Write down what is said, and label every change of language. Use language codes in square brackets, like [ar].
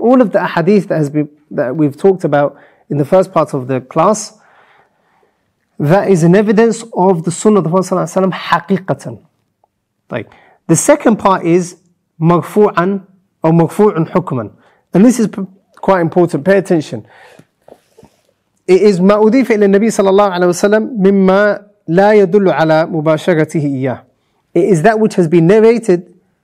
[en] All of the ahadith that has been that we've talked about in the first part of the class, that is an evidence of the sunnah of the Prophet sallallahu alaihi wasallam haqiqatan. The second part is مغفوعاً or [ar] مغفوعاً حكماً. [en] And this is quite important. Pay attention. [ar] It is ما أضيف إلى النبي صلى الله عليه وسلم مما لا يدل على مباشرته إياه. [en] It is that which has been narrated.